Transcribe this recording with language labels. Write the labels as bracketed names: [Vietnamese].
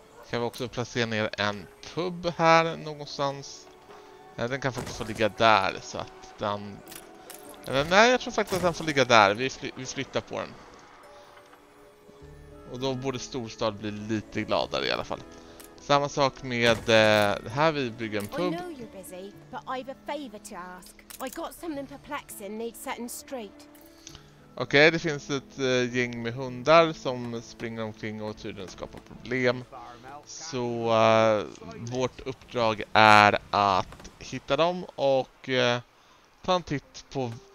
[Swedish] Kan vi också placera ner en pub här någonstans. Den kan faktiskt få ligga där så att den... Eller nej, jag tror faktiskt att den får ligga där. Vi flyttar på den. Och då borde storstad bli lite gladare i alla fall. Samma sak med här vi bygger en pub. [English] I know you're busy, but I've a favor to ask. I got something perplexing needs setting straight. [Swedish] Okej, det finns ett gäng med hundar som springer omkring och tydligen skapar problem. Så vårt uppdrag är att hitta dem och ta en titt på...